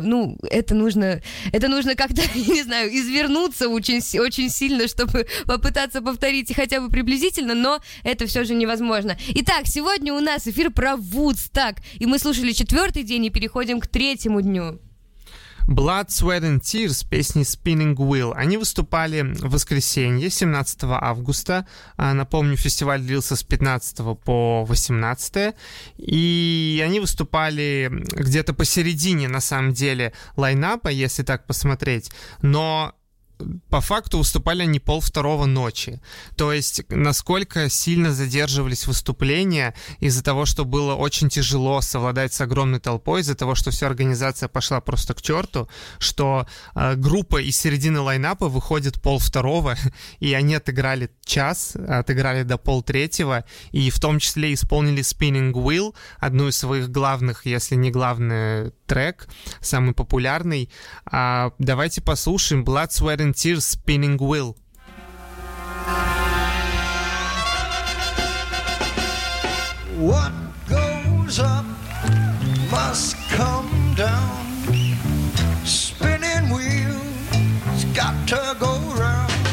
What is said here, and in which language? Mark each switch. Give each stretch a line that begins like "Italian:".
Russian: Ну, это нужно как-то, не знаю, извернуться очень сильно, чтобы попытаться повторить хотя бы приблизительно, но это все же невозможно. Итак, сегодня у нас эфир про Вудсток, и мы слушали четвертый день и переходим к третьему дню. Blood, Sweat and Tears, песни Spinning Wheel. Они выступали в воскресенье, 17 августа. Напомню, фестиваль длился с 15 по 18. И они выступали где-то посередине, на самом деле, лайнапа, если так посмотреть. Но по факту выступали они пол второго ночи. То есть, насколько сильно задерживались выступления из-за того, что было очень тяжело совладать с огромной толпой, из-за того, что вся организация пошла просто к черту, что группа из середины лайнапа выходит пол второго, и они отыграли час, отыграли до пол третьего, и в том числе исполнили Spinning Wheel, одну из своих главных, если не главный трек, самый популярный. Давайте послушаем Blood, Sweat and Tears, Spinning Wheel.
English: What goes up must come down. Spinning wheel's got to go round.